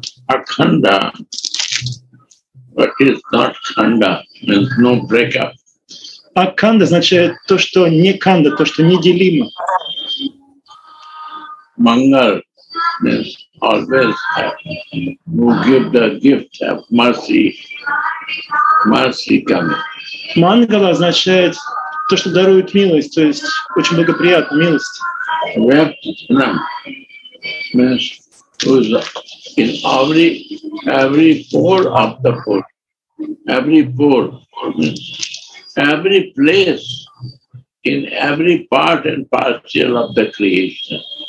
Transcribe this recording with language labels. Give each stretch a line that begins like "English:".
English: Akhanda, what is not khanda, means no breakup.
Russian: Akhanda означает то, что не канда, то, что неделимо.
English: Mangal means always have, who give the gift of mercy, mercy coming.
Russian: Mangala означает то, что дарует милость, то есть очень благоприятно, милость.
English: Vyaptana means who in every pore of the pore, every pore means every place in every part and parcel of the creation.